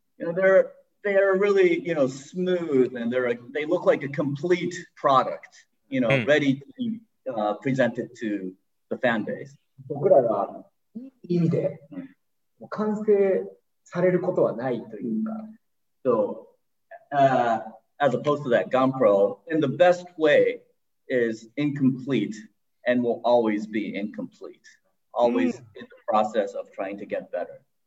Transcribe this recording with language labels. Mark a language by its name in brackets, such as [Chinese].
[English] You know, they are really, you know, smooth and they look like a complete product, you know, ready to be presented to the fan base. [Japanese] 僕らがいい意味で完成されることはないというか。 [English] So, as opposed to that, Ganpro, in the best way, is incomplete and will always be incomplete. Always in the process of trying to get better.